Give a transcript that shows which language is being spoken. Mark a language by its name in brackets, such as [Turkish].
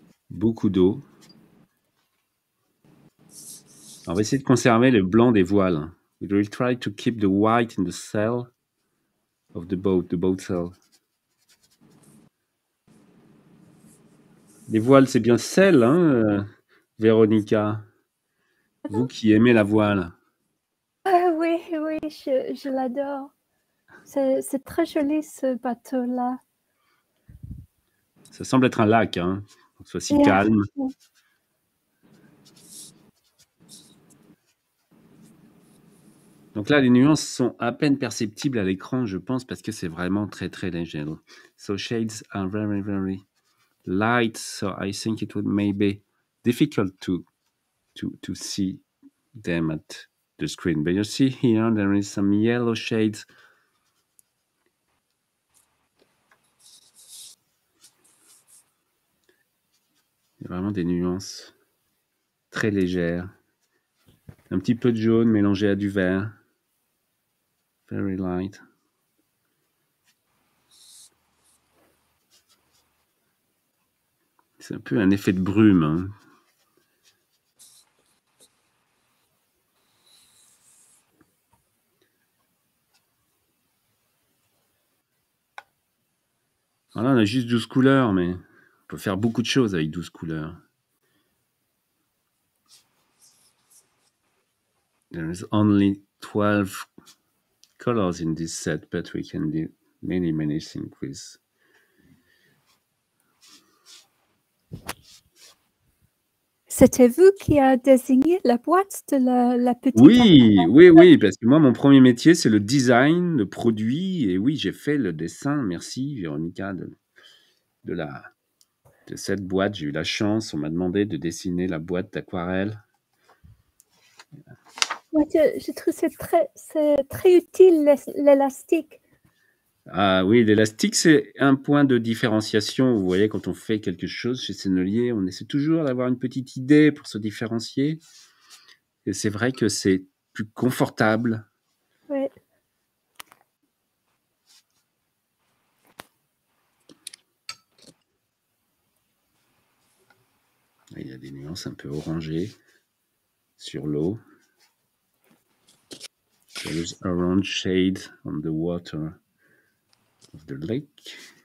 [French] Beaucoup d'eau. On va essayer de conserver le blanc des voiles. [English] We will try to keep the white in the sail of the boat sail. [French] Les voiles, c'est bien sel, hein, Véronica. Vous qui aimez la voile. Oui, oui, je l'adore. C'est très joli, ce bateau-là. Ça semble être un lac, hein. Donc, sois si calme. Donc là, les nuances sont à peine perceptibles à l'écran, je pense, parce que c'est vraiment très, très léger. [English] So, shades are very, very light. So, I think it would maybe difficult to see them at the screen. But you see here, there is some yellow shades. [French] Il y a vraiment des nuances très légères. Un petit peu de jaune mélangé à du vert. [English] Very light. [French] C'est un peu un effet de brume. Hein. Voilà, on a juste 12 couleurs, mais on peut faire beaucoup de choses avec 12 couleurs. [English] There is only 12 colors in this set, but we can do many, many things with. [French] C'était vous qui a désigné la boîte de la petite... Oui, oui, oui, parce que moi, mon premier métier, c'est le design, le produit, et oui, j'ai fait le dessin, merci, Véronica, de cette boîte. J'ai eu la chance, on m'a demandé de dessiner la boîte d'aquarelle. Moi, je trouve que c'est très utile, l'élastique. Ah oui, l'élastique, c'est un point de différenciation. Vous voyez, quand on fait quelque chose chez Sennelier, on essaie toujours d'avoir une petite idée pour se différencier. Et c'est vrai que c'est plus confortable. Oui. Il y a des nuances un peu orangées sur l'eau. [English] There is orange shade on the water of the lake.